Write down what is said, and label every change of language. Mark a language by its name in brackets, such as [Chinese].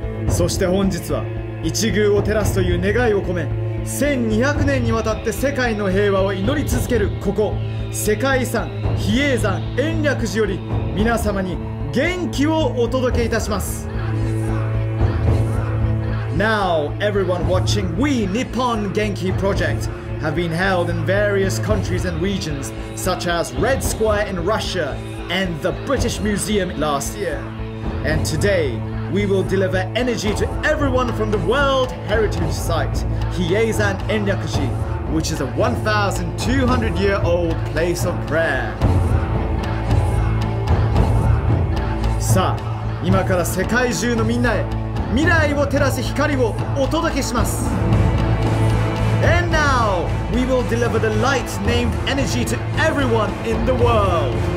[Japanese] そして本日は一隅を照らすという願いを込め、1200年にわたって世界の平和を祈り続けるここ世界遺産比叡山延暦寺より皆様に元気をお届けいたします。 [English] Now, everyone watching, we Nippon Genki Project have been held in various countries and regions, such as Red Square in Russia and the British Museum last year. And today, we will deliver energy to everyone from the World Heritage Site, Hiyeizan Enryakuji, which is a 1,200-year-old place of prayer. [Japanese] さあ、今から世界中のみんなへ未来を照らす光をお届けします。 [English] And now, we will deliver the light named energy to everyone in the world.